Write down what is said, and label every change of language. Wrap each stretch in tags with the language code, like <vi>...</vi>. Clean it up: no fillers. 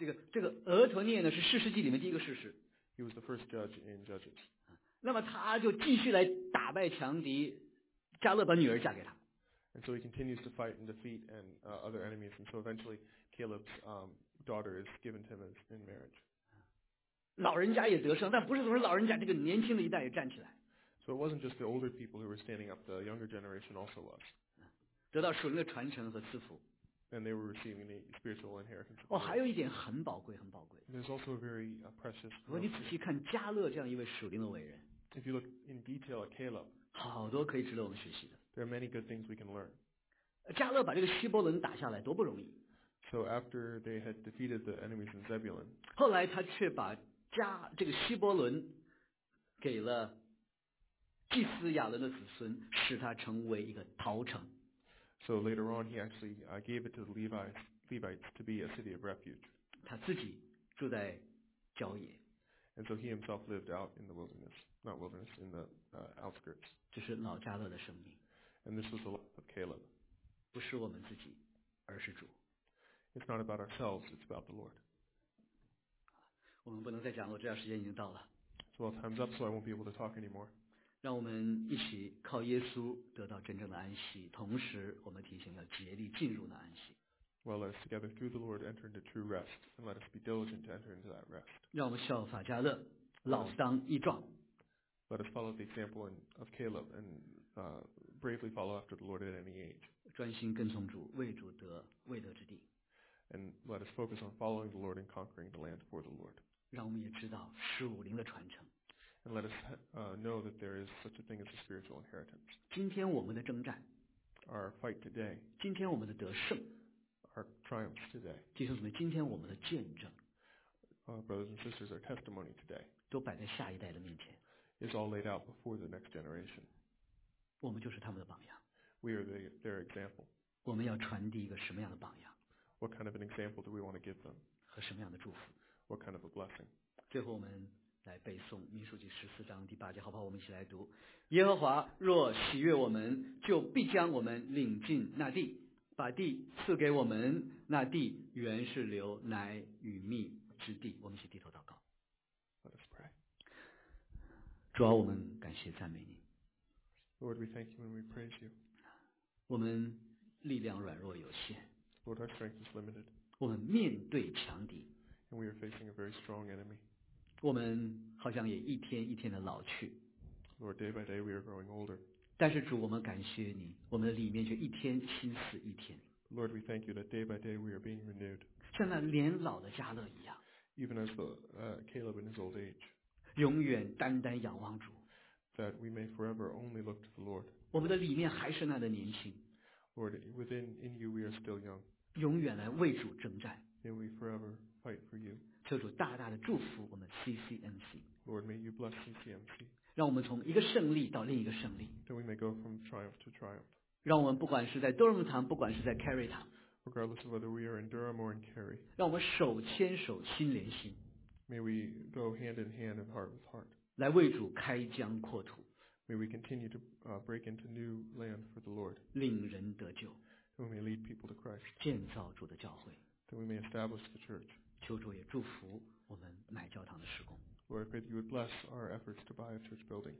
<zh>这个俄陀聂呢是士师记里面第一个士师。</zh> <en>He was the first judge in Judges.</en> <zh>那么他就继续来打败强敌，加勒把女儿嫁给他。</zh> <en>And so he continues to fight and defeat and other enemies, and so eventually Caleb's daughter is given to him as in marriage.</en> <zh>老人家也得胜，但不是总是老人家，这个年轻的一代也站起来。</zh> <en>So it wasn't just the older people who were standing up; the younger generation also was.</en> <zh>得到属灵的传承和赐福。</zh> <en>And they were receiving the spiritual inheritance.</en> <zh>哦，还有一点很宝贵，很宝贵。</zh> <en>There's also a very precious.</en> <zh>如果你仔细看加勒这样一位属灵的伟人。</zh> <en>If you look in detail at Caleb.</en> <zh>好多可以值得我们学习的。</zh> <en>There are many good things we can learn.</en> <zh>加勒把这个希伯伦打下来，多不容易。</zh> <en>So after they had defeated the enemies in Zebulun.</en> <zh>后来他却把这个希伯伦给了祭司亚伦的子孙，使他成为一个逃城。</zh> <en>So later on, he actually gave it to the Levites to be a city of refuge.</en> <zh>他自己住在郊野。</zh> <en>And so he himself lived out in the wilderness, not wilderness, in the outskirts.</en> <zh>这是老加勒的生命。</zh> <en>And this was the life of Caleb.</en> <zh>不是我们自己，而是主。</zh> <en>It's not about ourselves, it's about the Lord.</en> <zh>我们不能再讲了，这段时间已经到了。</zh> <en>So well, time's up, so I won't be able to talk anymore.</en> <zh>让我们一起靠耶稣得到真正的安息，同时我们提醒要竭力进入那安息。</zh> <en>Well, let us together through the Lord enter into true rest, and let us be diligent to enter into that rest.</en> <zh>让我们效法加勒，老当益壮。</zh> <en>Let us follow the example of Caleb and bravely follow after the Lord at any age.</en> <zh>专心跟从主，为主得未得之地。</zh> <en>And let us focus on following the Lord and conquering the land for the Lord.</en> <zh>让我们也知道属灵的传承。</zh> <en>And let us know that there is such a thing as a spiritual inheritance.</en> <zh>今天我们的征战</zh> <en>our fight today.</en> <zh>今天我们的得胜</zh> <en>our triumph today.</en> <zh>弟兄姊妹，今天我们的见证</zh> <en>brothers and sisters, our testimony today.</en> <zh>都摆在下一代的面前</zh> <en>is all laid out before the next generation.</en> <zh>我们就是他们的榜样</zh> <en>we are their example.</en> <zh>我们要传递一个什么样的榜样</zh> <en>what kind of an example do we want to give them?</en> <zh>和什么样的祝福</zh> <en>what kind of a blessing.</en> <zh>最后我们来背诵民数记十四章第八节，好不好？我们一起来读：耶和华若喜悦我们，就必将我们领进那地，把地赐给我们，那地原是流奶与蜜之地。我们一起低头祷告。</zh> <en>Let us pray.</en> <zh>主啊，我们感谢赞美你。</zh> <en>Lord, we thank you and we praise you.</en> <zh>我们力量软弱有限。</zh> <en>Lord, our strength is limited.</en> <zh>我们面对强敌。</zh> <en>And we are facing a very strong enemy.</en> <zh>我们好像也一天一天的老去。</zh> <en>Lord, day by day we are growing older.</en> <zh>但是主，我们感谢你，我们的里面却一天新似一天。</zh> <en>Lord, we thank you that day by day we are being renewed.</en> <zh>像那年老的迦勒一样。</zh> <en>Even as the Caleb in his old age.</en> <zh>永远单单仰望主。</zh> <en>That we may forever only look to the Lord.</en> <zh>我们的里面还是那的年轻。</zh> <en>Lord, within you we are still young.</en> <zh>永远来为主征战。</zh> <en>May we forever fight for you.</en> <zh>求主大大的祝福我们 CCMC.</zh> <en>Lord, may you bless CCMC.</en> <zh>让我们从一个胜利到另一个胜利。</zh> <en>That we may go from triumph to triumph.</en> <zh>让我们不管是在多伦堂，不管是在 Carry 堂。</zh> <en>Regardless of whether we are in Durham or in Carry.</en> <zh>让我们手牵手，心连心。</zh> <en>May we go hand in hand and heart with heart.</en> <zh>来为主开疆扩土。</zh> <en>May we continue to break into new land for the Lord.</en> <zh>令人得救。</zh> <en>That we may lead people to Christ.</en> <zh>建造主的教会。</zh> <en>That we may establish the church.</en> <zh>求主也祝福我们买教堂的施工。</zh> <en>Lord, I pray that you would bless our efforts to buy a church building.</en>